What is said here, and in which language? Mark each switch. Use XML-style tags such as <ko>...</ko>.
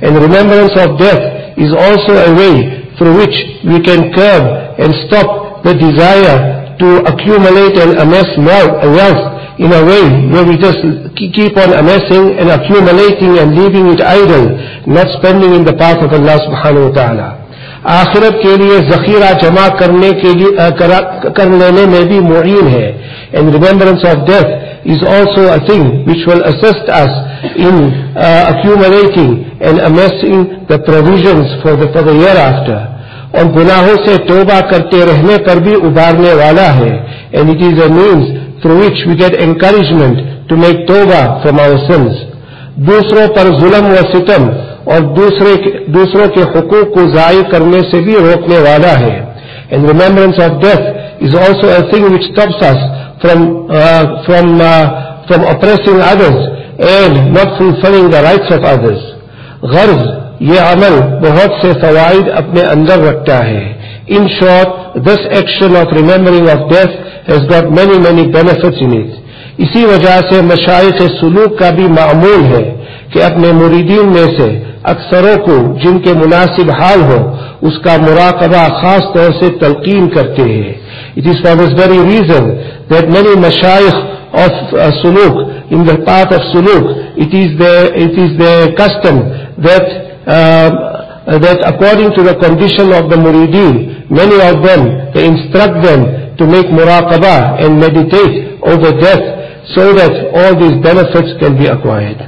<en>And remembrance of death is also a way through which we can curb and stop the desire to accumulate and amass wealth in a way where we just keep on amassing and accumulating and leaving it idle, not spending in the path of Allah subhanahu wa ta'ala.</en> <ur>آخرت کے لیے ذخیرہ جمع کرنے کے لیے کر لینے میں بھی معین ہے.</ur> <en>And remembrance of death is also a thing which will assist us in accumulating and amassing the provisions for the hereafter.</en> <ur>اور گناہوں سے توبہ کرتے رہنے پر بھی ابھارنے والا ہے.</ur> <en>And it is a means through which we get encouragement to make توبہ from our sins.</en> <ur>دوسروں پر ظلم و ستم اور دوسروں کے حقوق کو ضائع کرنے سے بھی روکنے والا ہے.</ur> <en>And remembrance of death is also a thing which stops us from oppressing others and not fulfilling the rights of others.</en> <ur>غرض یہ عمل بہت سے فوائد اپنے اندر رکھتا ہے.</ur> <en>In short, this action of remembering of death has got many benefits in it.</en> <ur>اسی وجہ سے مشائخ سلوک کا بھی معمول ہے کہ اپنے مریدین میں سے اکثروں کو جن کے مناسب حال ہو اس کا مراقبہ خاص طور سے تلقین کرتے ہیں.</ur> <en>It is for this very reason that many مشائخ of سلوک, in the path of سلوک, it is their custom that according to the condition of the مریدین, many of them, they instruct them to make مراقبہ and meditate over death so that all these benefits can be acquired.</en>